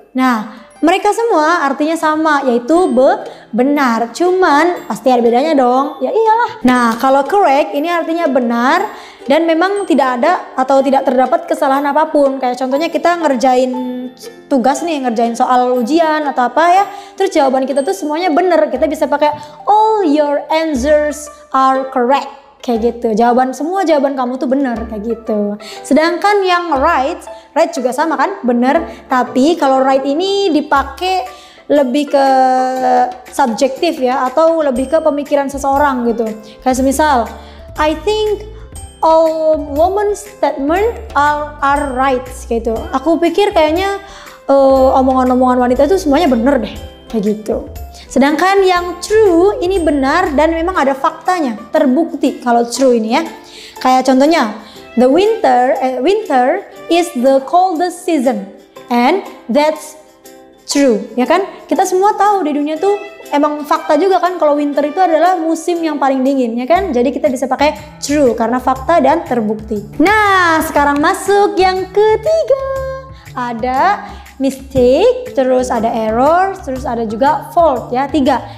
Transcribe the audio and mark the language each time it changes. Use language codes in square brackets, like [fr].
[id] Nah, mereka semua artinya sama, yaitu benar. Cuman pasti ada bedanya dong. Ya iyalah. Nah, kalau correct ini artinya benar dan memang tidak ada atau tidak terdapat kesalahan apapun. Kayak contohnya kita ngerjain tugas nih, ngerjain soal ujian atau apa ya. Terus jawaban kita tuh semuanya benar. Kita bisa pakai [en] all your answers are correct. [id] Kayak gitu, jawaban kamu tuh benar kayak gitu. Sedangkan yang right juga sama kan, benar. Tapi kalau right ini dipakai lebih ke subjektif ya, atau lebih ke pemikiran seseorang gitu. Kayak semisal, [en] I think all women's statement are right. [id] Kayak itu. Aku pikir kayaknya omongan-omongan wanita itu semuanya benar deh, kayak gitu. Sedangkan yang true ini benar dan memang ada faktanya, terbukti kalau true ini ya. Kayak contohnya, [en] the winter is the coldest season and that's true, [id] ya kan? Kita semua tahu di dunia tuh emang fakta juga kan kalau winter itu adalah musim yang paling dingin, ya kan? Jadi kita bisa pakai true karena fakta dan terbukti. Nah, sekarang masuk yang ketiga. Ada mistake, terus ada error, terus ada juga fault ya, tiga.